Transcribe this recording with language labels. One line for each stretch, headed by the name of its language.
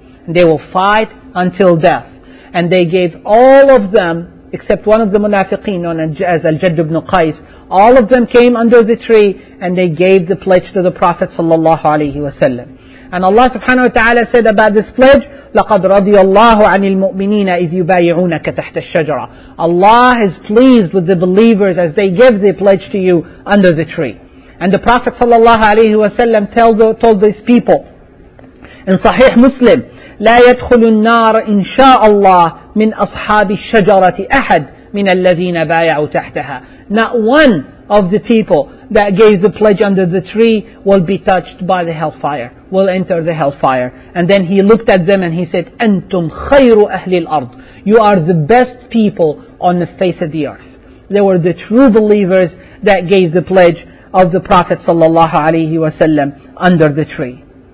English: They will fight until death. And they gave all of them, except one of the munafiqeen known as Al-Jadd ibn Qais, all of them came under the tree and they gave the pledge to the Prophet sallallahu alaihi wasallam. And Allah subhanahu wa ta'ala said about this pledge,
Arabic: لَقَدْ رَضِيَ اللَّهُ عَنِ الْمُؤْمِنِينَ إِذْ يُبَايِعُونَكَ تَحْتَ الشَّجَرَةِ.
English: Allah is pleased with the believers as they give the pledge to you under the tree. And the Prophet sallallahu alayhi wa sallam told these people in Sahih Muslim,
Arabic: لَا يَدْخُلُ النَّارِ إِنْ شَاءَ اللَّهِ مِنْ أَصْحَابِ الشَّجَرَةِ أَحَدْ مِنَ الَّذِينَ بَايَعُوا تَحْتَهَا.
English: Not one of the people that gave the pledge under the tree will be touched by the hellfire, will enter the hellfire. And then he looked at them and he said,
Arabic: أَنْتُمْ خَيْرُ أَهْلِ الْأَرْضِ.
English: You are the best people on the face of the earth. They were the true believers that gave the pledge of the Prophet sallallahu alaihi wasallam under the tree.